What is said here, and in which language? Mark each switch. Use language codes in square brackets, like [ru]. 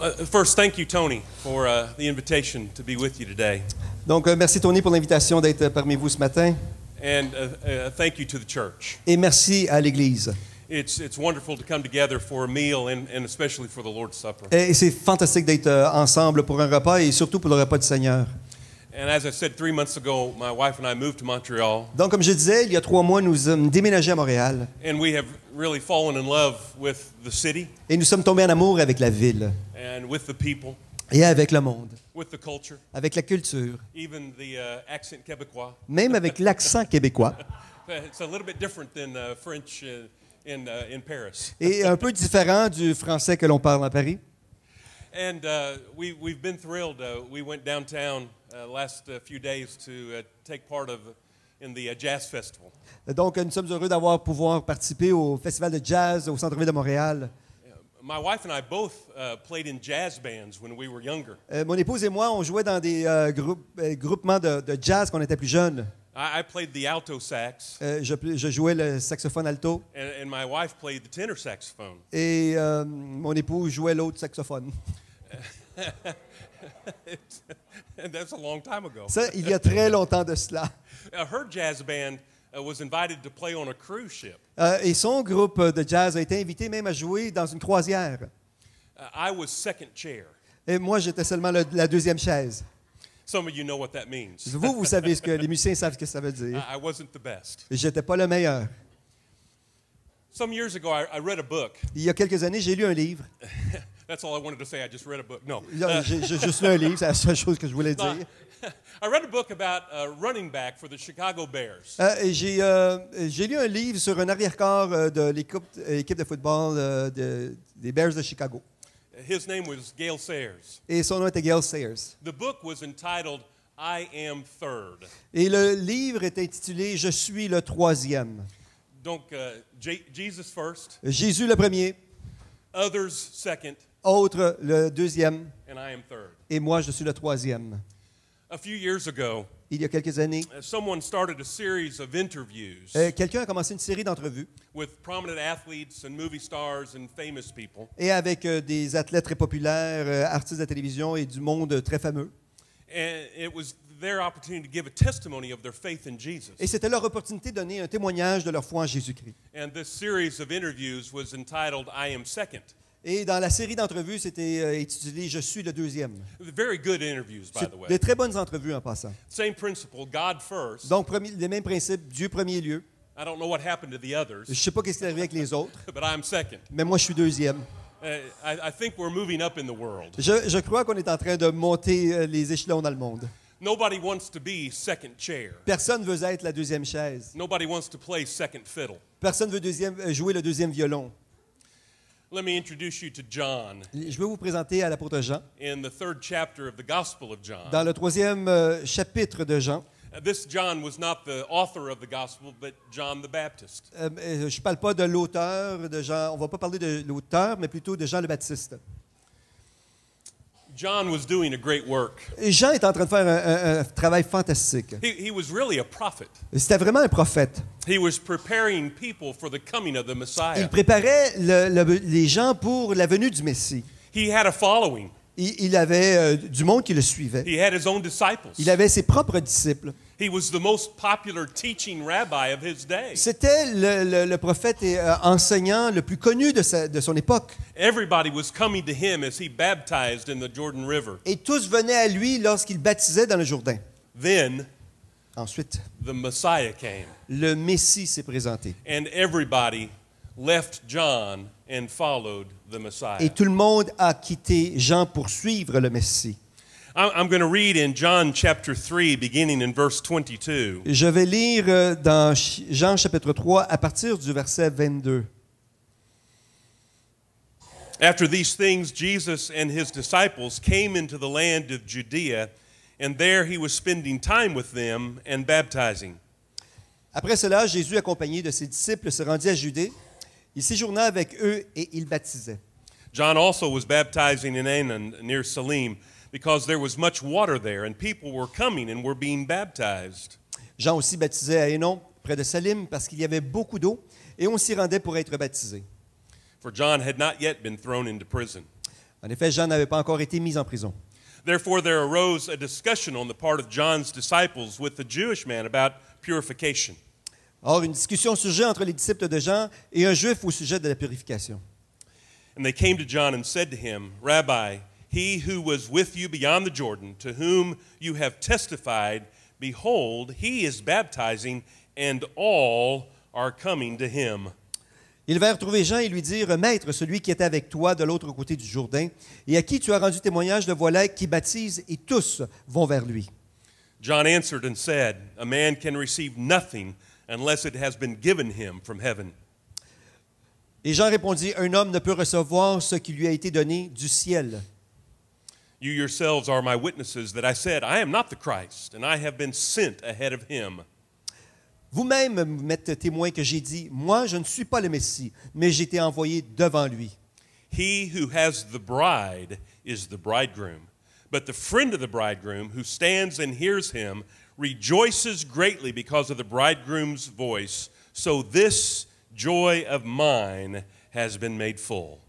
[en] First, thank you, Tony, for the invitation to be with you today. [fr] Donc, merci Tony pour l'invitation d'être parmi vous ce matin. [en] And thank you to the church. [fr] Et merci à l'église. [en] It's wonderful to come together for a meal and especially for the Lord's Supper. [fr] Et c'est fantastique d'être ensemble pour un repas et surtout pour le repas du Seigneur. [en] And as I said 3 months ago, my wife and I moved to Montreal. [fr] Donc, comme je disais, il y a 3 mois, nous avons déménagé à Montréal. [en] And we have really fallen in love with the city. [fr] Et nous sommes tombés en amour avec la ville. [en] And with the people. [fr] Et avec le monde. [en] With the culture. [fr] Avec la culture. [en] Even the accent québécois. [fr] Même avec l'accent québécois. [en] It's a little bit different than French in Paris. [fr] Et un peu différent du français que l'on parle à Paris. [en] And we've been thrilled. We went downtown last few days to take part of in the jazz festival. [fr] Donc nous sommes heureux d'avoir pouvoir participer au festival de jazz au centre-ville de Montréal. [en] My wife and I both played in jazz bands when we were younger. [fr] Mon épouse et moi on jouait dans des groupements de jazz quand on était plus jeunes. [en] I played the alto sax. [fr] Je jouais le saxophone alto. [en] And my wife played the tenor saxophone. [fr] Et mon épouse jouait l'autre saxophone. [en] And that's a long time ago. [fr] Ça, il y a très longtemps de cela. [en] Her jazz band was invited to play on a cruise ship. [fr] Et son groupe de jazz a été invité même à jouer dans une croisière. [en] I was second chair. [fr] Et moi, j'étais seulement la deuxième chaise. [en] Some of you know what that means. [fr] Vous savez ce que les musiciens savent ce que ça veut dire. [en] I wasn't the best. [fr] J'étais pas le meilleur. [en] Some years ago, I read a book. [fr] Il y a quelques années, j'ai lu un livre. [en] That's all I wanted to say. I just read a book. No. [fr] Juste lu un livre, c'est la seule chose que je voulais dire. [en] I read a book about a running back for the Chicago Bears. [fr] J'ai lu un livre sur un arrière-corps de l'équipe de football des Bears de Chicago. [en] His name was Gale Sayers. [fr] Et son nom était Gale Sayers. [en] The book was entitled I Am Third. [fr] Et le livre était intitulé Je suis le troisième. Donc [en] Jesus first. [fr] Jésus le premier. [en] Others second. [fr] Autre le deuxième. [en] And I am third. [fr] Et moi je suis le troisième. [en] A few years ago, [fr] il y a quelques années, [en] someone started a series of interviews. [fr] Quelqu'un a commencé une série d'entrevues. [en] With prominent athletes and movie stars and famous people. [fr] Et avec des athlètes très populaires, artistes de télévision et du monde très fameux. [en] And it was their opportunity to give a testimony of their faith in Jesus. [fr] Et c'était leur opportunité de donner un témoignage de leur foi en Jésus-Christ. [en] And this series of interviews was entitled I Am Second. [fr] Et dans la série d'entrevues, c'était intitulé « Je suis le deuxième ». [en] Very good interviews, by the way. [fr] Des très bonnes entrevues en passant. [en] Same principle, God first. [fr] Donc, les mêmes principes, Dieu premier lieu. [en] I don't know what happened to the others. [fr] Je ne sais pas ce qui est arrivé avec les autres. [en] But I'm second. [fr] Mais moi, je suis deuxième. [en] I think we're moving up in the world. [fr] Je crois qu'on est en train de monter les échelons dans le monde. [en] Nobody wants to be second chair. [fr] Personne ne veut être la deuxième chaise. [en] Nobody wants to play second fiddle. [fr] Personne ne veut jouer le deuxième violon. [en] Let me introduce you to John. [fr] Je vais vous présenter à l'apôtre Jean. [en] In the third chapter of the Gospel of John. [fr] Dans le troisième chapitre de Jean. [en] This John was not the author of the Gospel, but John the Baptist. [fr] Je ne parle pas de l'auteur de Jean. On ne va pas parler de l'auteur, mais plutôt de Jean le Baptiste. [en] John was doing a great work. [fr] Jean est en train de faire un travail fantastique. [en] He was really a prophet. [fr] C'était vraiment un prophète. [en] He was preparing people for the coming of the Messiah. [fr] Il préparait les gens pour la venue du Messie. [en] He had a following. [fr] il avait du monde qui le suivait. [en] He had his own disciples. [fr] Il avait ses propres disciples. [en] He was the most popular teaching rabbi of his day. [fr] C'était le prophète et enseignant le plus connu de son époque. [en] Everybody was coming to him as he baptized in the Jordan River. [fr] Et tous venaient à lui lorsqu'il baptisait dans le Jourdain. [en] Then, [fr] ensuite, [en] the Messiah came. [fr] Le Messie s'est présenté. [en] And everybody left John and followed the Messiah. [fr] Et tout le monde a quitté Jean pour suivre le Messie. [en] I'm going to read in John chapter 3, beginning in verse 22. [fr] Je vais lire dans Jean chapitre 3 à partir du verset 22. [en] After these things, Jesus and his disciples came into the land of Judea, and there he was spending time with them and baptizing. [fr] Après cela, Jésus, accompagné de ses disciples, se rendit à Judée. Il séjourna avec eux et il baptisait. [en] John also was baptizing in Anan near Salim, because there was much water there, and people were coming and were being baptized. [fr] Jean aussi baptisait à Enon, près de Salim, parce qu'il y avait beaucoup d'eau, et on s'y rendait pour être baptisé. [en] For John had not yet been thrown into prison. [fr] En effet, Jean n'avait pas encore été mis en prison. [en] Therefore, there arose a discussion on the part of John's disciples with the Jewish man about purification. [fr] Or, une discussion surgit entre les disciples de Jean et un juif au sujet de la purification. [en] And they came to John and said to him, Rabbi, he who was with you beyond the Jordan, to whom you have testified, behold, he is baptizing, and all are coming to him. [fr] Ils vinrent trouver Jean et lui dirent, Maître, celui qui était avec toi de l'autre côté du Jourdain, et à qui tu as rendu témoignage, le voilà qui baptise, et tous vont vers lui. [en] John answered and said, A man can receive nothing unless it has been given him from heaven. [fr] Et Jean répondit, Un homme ne peut recevoir ce qui lui a été donné du ciel. [en] You yourselves are my witnesses that I said, I am not the Christ, and I have been sent ahead of him. [fr] Vous-même m'êtes témoin que j'ai dit, moi, je ne suis pas le Messie, mais j'ai été envoyé devant lui. [en] He who has the bride is the bridegroom, but the friend of the bridegroom who stands and hears him rejoices greatly because of the bridegroom's voice. So this joy of mine has been made full.